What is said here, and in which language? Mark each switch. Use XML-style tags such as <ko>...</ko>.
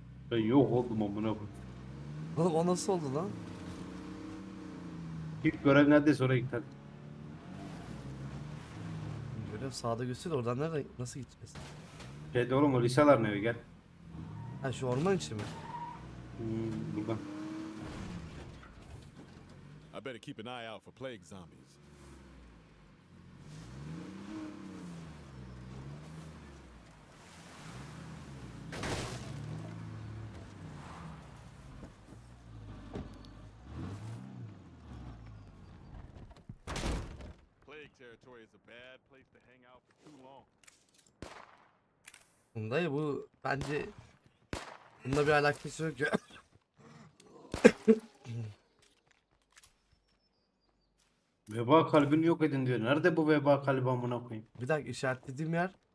<tr>Ben yok oldum amına koyayım. Oğlum o nasıl oldu lan? İlk görev neredeyse oraya gittik. Görev sağda göster, oradan nerede nasıl gideceğiz? Şeyde oğlum o lisaların evi gel. Ha şu orman içi mi? Burada.</tr> <en>I better keep an eye out for plague zombies. Hmm. plague territory is a bad place to hang out for too long.</en> <tr>Bunda ya, bu bence bunda bir alakası yok ya. Veba kalbini yok edin diyor. Nerede bu veba kalbi amına koyayım? Bir dakika, işaretlediğim yer.</tr>